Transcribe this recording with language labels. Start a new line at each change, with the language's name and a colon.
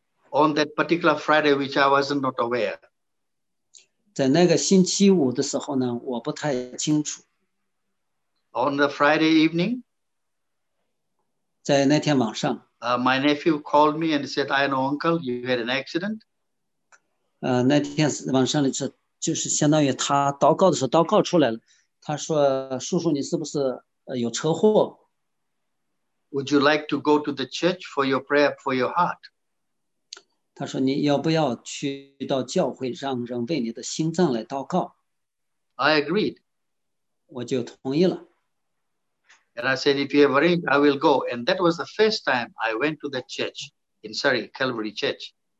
English: On that particular Friday, which I was not aware.
Chinese: 在那个星期五的时候呢, 我不太清楚。
English: On the Friday evening,
Chinese: 在那天晚上,
English: my nephew called me and said, I know, uncle, you had an accident.
Chinese: 那天晚上的时候，就是相当于他祷告的时候祷告出来了。他说：“叔叔，你是不是有车祸？”
English: Would you like to go to the church for your prayer for your heart?
Chinese: 他说：“你要不要去到教会，让人为你的心脏来祷告？”
English: I agreed.
Chinese: 我就同意了。
English: And I said, if you have arranged, I will go. And that was the first time I went to the church in Surrey, Calvary Church.